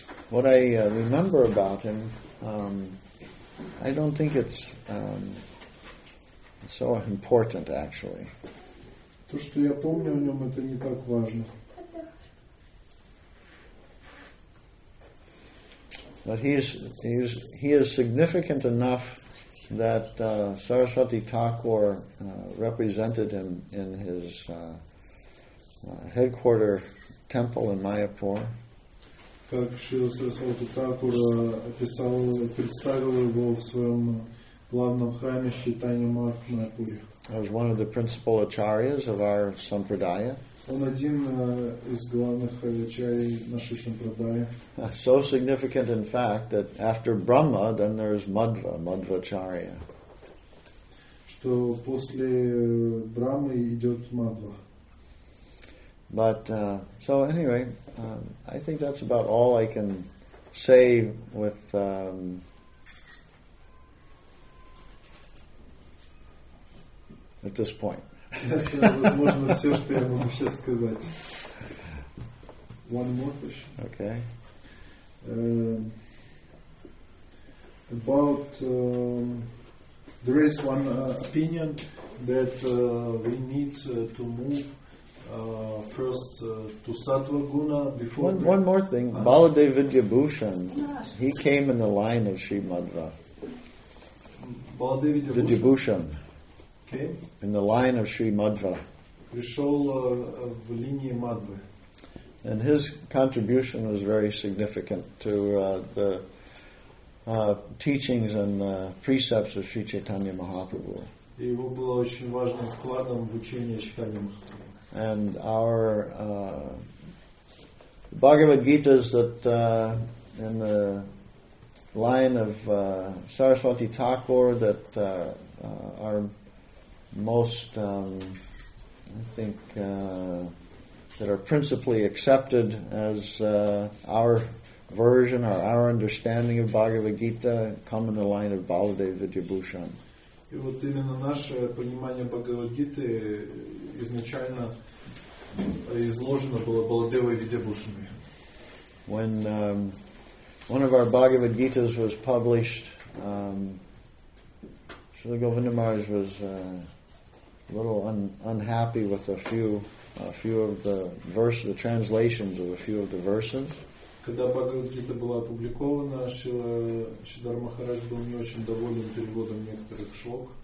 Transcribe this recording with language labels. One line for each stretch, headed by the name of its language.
English: What I remember about him, I don't think it's so important, actually.
Russian: То, что я помню о нем, это не так важно.
English: But he is significant enough that Saraswati Thakur represented him in his headquarter temple in Mayapur.
Russian: Как Шрила Сарасвати Тхакур описал, представил его в своем главном храме Шитанья Марк в Майяпуре.
English: As one of the principal acharyas of our sampradaya.
Russian: Он один из главных ачарий нашей сампрадаи.
English: So significant, in fact, that after Brahma, then there is Madhva, Madhvacharya.
Russian: Что после Брамы идет Мадва.
English: But so anyway, I think that's about all I can say with at this point.
Russian: Возможно, все, что я могу сейчас сказать.
English: One more question. Okay. About there is one opinion that we need to move. First to Sattva Guna before. One more thing, Baladev Vidya Bhushan, he came in the line of Sri Madhva. Baladev Vidya Bhushan came in the line of Sri Madhva.
Russian: Пришел в линии Мадвы.
English: And his contribution was very significant to the teachings and the precepts of Sri Chaitanya Mahaprabhu.
Russian: Его было очень важным вкладом в учение Чайтанья Махапрабху.
English: And our Bhagavad Gita's that in the line of Saraswati Thakur that are most, that are principally accepted as our version or our understanding of Bhagavad Gita come in the line of Baladev Vidya Bhushan.
Russian: И вот именно наше понимание Бхагавад-гиты изначально изложено было Баладевой Видьябушиной.
English: When one of our Bhagavad Gitas was published, Srila Govinda Maharaj was a little unhappy with a few of the verse, the translations of a few of the verses.
Russian: Когда Бхагавад-гита была опубликована, Шридхар Махарадж был не очень доволен переводом некоторых шлок.